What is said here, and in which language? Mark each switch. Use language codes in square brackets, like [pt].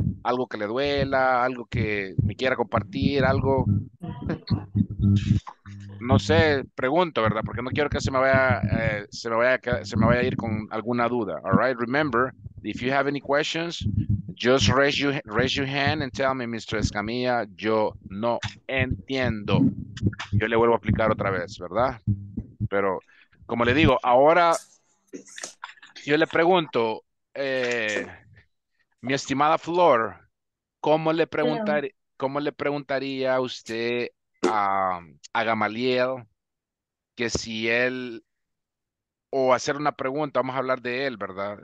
[es] Algo que le duela, algo que me quiera compartir, algo. No sé, pregunto, ¿verdad? Porque no quiero que se me vaya a ir con alguna duda. [en] All right, remember, if you have any questions, just raise your hand and tell me, Mr. [es] Escamilla, yo no entiendo. Yo le vuelvo a explicar otra vez, ¿verdad? Pero, como le digo, ahora yo le pregunto, mi estimada Flor, ¿cómo le preguntaría a usted a Gamaliel que si él, o hacer una pregunta, vamos a hablar de él, ¿verdad?